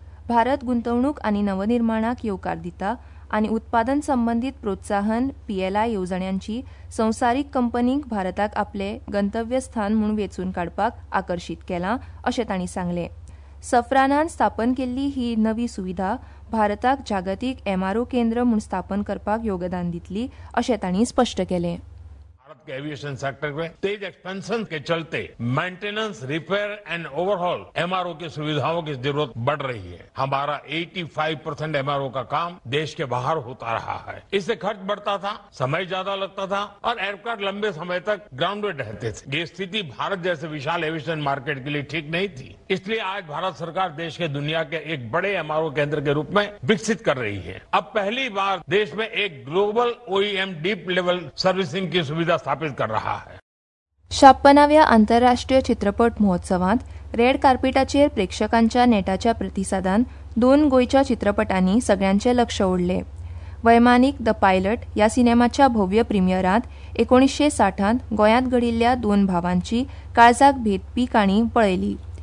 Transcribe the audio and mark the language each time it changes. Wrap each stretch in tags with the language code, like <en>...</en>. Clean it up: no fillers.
<gom>भारत गुंतवणूक आणि नवनिर्माणाक येवकार दिता आणि उत्पादन संबंधित प्रोत्साहन PLI येवजण्यांची संसारीक कंपनीक भारताक आपले गंतव्यस्थान म्हूण वेचून काढपाक आकर्षित केला अशें तांणी सांगले. सफरानान स्थापन केल्ली ही नवी सुविधा भारताक जागतिक MRO केंद्र म्हूण स्थापन करपाक योगदान दितली अशें तांणी स्पष्ट केले.</gom> <hi>के एविएशन सेक्टर में तेज एक्सपेंशन के चलते maintenance repair and overhaul MRO की सुविधाओं की जरूरत बढ़ रही है. हमारा 85% MRO का काम देश के बाहर होता रहा है. इससे खर्च बढ़ता था, समय ज्यादा लगता था और एयरक्राफ्ट लंबे समय तक ग्राउंडेड रहते थे. ये स्थिति भारत जैसे विशाल एविएशन मार्केट के लिए ठीक नहीं थी. इसलिए आज भारत सरकार देश के दुनिया के एक बड़े MRO केंद्र के रूप में विकसित कर रही है. अब पहली बार देश में एक global OEM deep level servicing की सुविधा स्थापित कर रहा है.</hi> <gom>56व्या आंतरराष्ट्रीय चित्रपट महोत्सवांत रेड कार्पेटाचेर प्रेक्षकांच्या नेटाच्या प्रतिसादान दोन गोयच्या चित्रपटांनी सगळ्यांचे लक्ष ओढले. वैमानिक द पायलट या सिनेमाच्या भव्य प्रीमियरांत 1960 गोयांत घडिल्ल्या दोन भावांची काळजाक भेदपी काणी पळयली.</gom>